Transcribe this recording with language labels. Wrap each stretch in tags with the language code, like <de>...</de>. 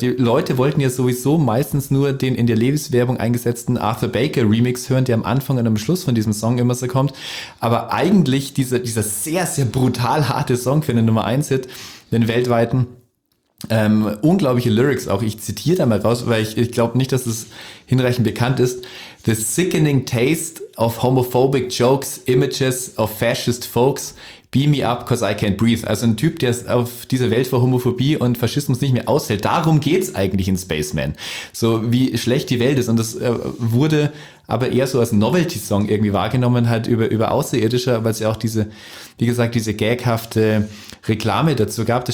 <de>Die Leute wollten ja sowieso meistens nur den in der Levis-Werbung eingesetzten Arthur Baker Remix hören, der am Anfang und am Schluss von diesem Song immer so kommt. Aber eigentlich dieser sehr, sehr brutal harte Song für den Nummer 1-Hit, den weltweiten, unglaubliche Lyrics auch. Ich zitiere da mal raus, weil ich glaube nicht, dass es hinreichend bekannt ist.</de> <en>The sickening taste of homophobic jokes, images of fascist folks, beam me up, cause I can't breathe.</en> <de>Also ein Typ, der auf dieser Welt vor Homophobie und Faschismus nicht mehr aushält. Darum geht's eigentlich in Spaceman. So wie schlecht die Welt ist. Und das wurde aber eher so als Novelty-Song irgendwie wahrgenommen halt über Außerirdische, weil es ja auch diese, wie gesagt, diese gaghafte Reklame dazu gab.</de>